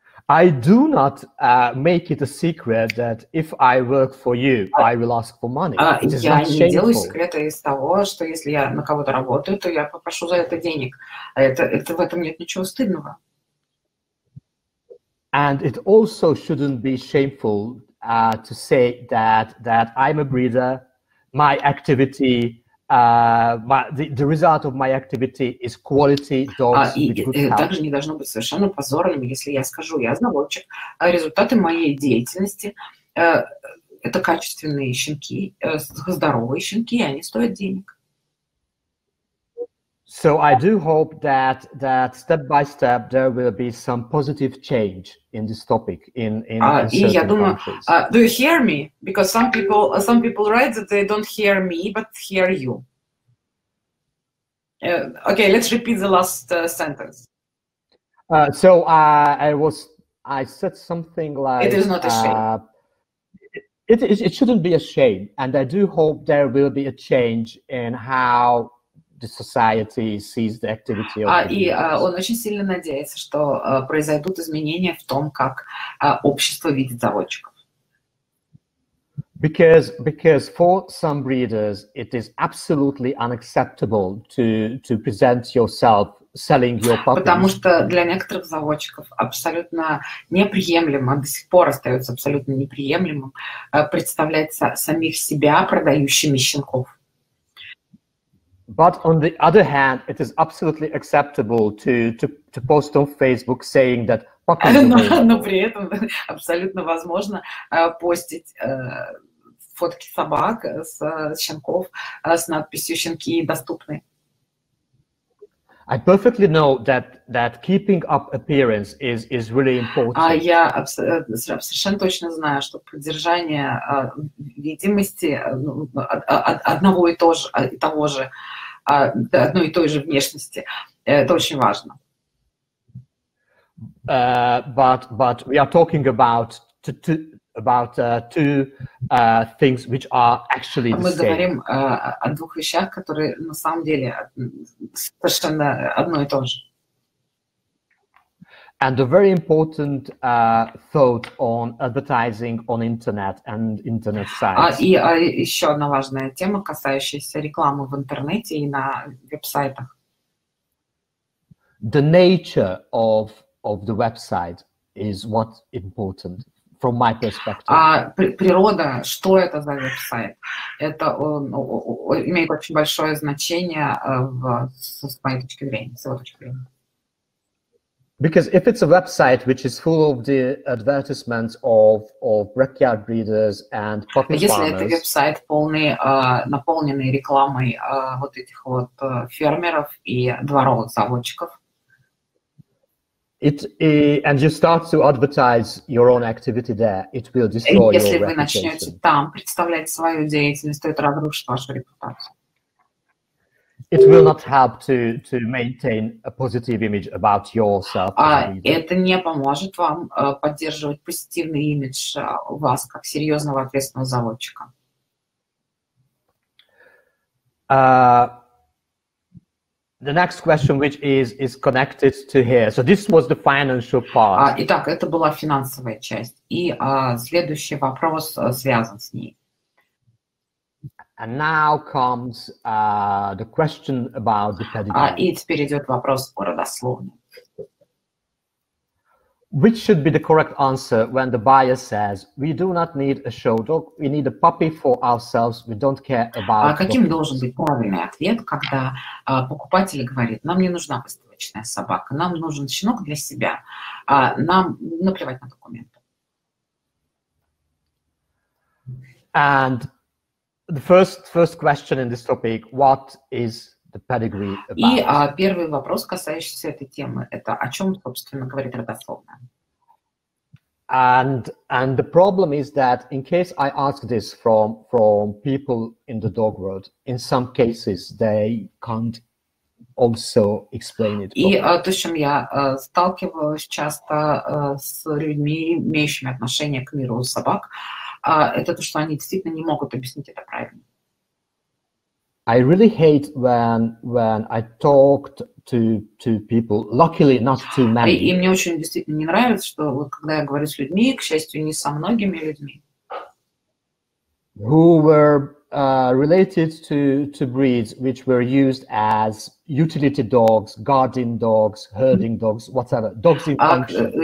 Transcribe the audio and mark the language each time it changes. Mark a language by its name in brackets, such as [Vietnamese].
[English] I do not make it a secret that if I work for you, I will ask for money. It is not shameful. [Russian] Я не делаю секрета из того, что если я на кого-то работаю, то я попрошу за это денег. Это в этом нет ничего стыдного. [English] And it also shouldn't be shameful to say that I'm a breeder, my activity, the result of my activity is quality dogs with good health. [Russian] Также не должно быть совершенно позорным, если я скажу, я заводчик, а результаты моей деятельности это качественные щенки, здоровые щенки, и они стоят денег. [English] So I do hope that step by step there will be some positive change in this topic in certain countries. Do you hear me? Because some people write that they don't hear me but hear you. Okay, let's repeat the last sentence. So I said something like it is not a shame. It shouldn't be a shame, and I do hope there will be a change in how the society sees the activity of [Russian] он очень сильно надеется, что произойдут изменения в том, как общество видит заводчиков. [English] Because for some breeders it is absolutely unacceptable to present yourself selling your puppies. [Russian] Потому что для некоторых заводчиков абсолютно неприемлемо, до сих пор остается абсолютно неприемлемым представлять самих себя продающими щенков. [English] But on the other hand, it is absolutely acceptable to post on Facebook saying that puppies are breeders. [Russian] Но при этом абсолютно возможно постить фотки собак с щенков с надписью «Щенки доступны». [English] I perfectly know that keeping up appearance is really important. [Russian] Я совершенно точно знаю, что поддержание видимости одного и того же одной и той же внешности. Это очень важно. [English] But we are talking about two things which are actually the [Russian] мы [English] same. [Russian] Мы говорим о двух вещах, которые на самом деле совершенно одно и то же. [English] And a very important thought on advertising on internet and internet sites. [Russian] Еще одна важная тема, касающаяся рекламы в интернете и на веб-сайтах. [English] The nature of the website is what important from my perspective. [Russian] Природа, что это за веб-сайт? Это имеет очень большое значение с моей точки зрения. [English] Because if it's a website which is full of the advertisements of backyard breeders and puppy farmers. [Russian] Если это веб-сайт полный, наполненный рекламой вот этих вот фермеров и дворовых заводчиков. [English] It and you start to advertise your own activity there, it will destroy your [Russian] Если вы начнете там представлять свою деятельность, то это разрушит вашу репутацию. [English] It will not help to maintain a positive image about yourself. [Russian] Это не поможет вам поддерживать позитивный имидж вас как серьезного ответственного заводчика. [English] The next question, which is connected to here. So this was the financial part. [Russian] Итак, это была финансовая часть. И следующий вопрос связан с ней. [English] And now comes the question about the pedigree. [Russian] И теперь идет вопрос о родословной. [English] Which should be the correct answer when the buyer says, we do not need a show dog, we need a puppy for ourselves, we don't care about... [Russian] Каким должен быть правильный ответ, когда покупатель говорит, нам не нужна выставочная собака, нам нужен щенок для себя, нам наплевать на документы. [English] And the first question in this topic, what is the pedigree about? [Russian] И первый вопрос, касающийся этой темы, это о чем, собственно, говорит родословная. [English] And the problem is that in case I ask this from people in the dog world, in some cases they can't also explain it. [Russian] И то, с чем я сталкиваюсь часто с людьми, имеющими отношение к миру собак, это то, что они действительно не могут объяснить это правильно. [English] I really hate when I talked to people, luckily not too many. [Russian] И мне очень действительно не нравится, что вот когда я говорю с людьми, к счастью, не со многими людьми. [English] Who were related to breeds which were used as utility dogs, guarding dogs, herding dogs, whatever, dogs in function.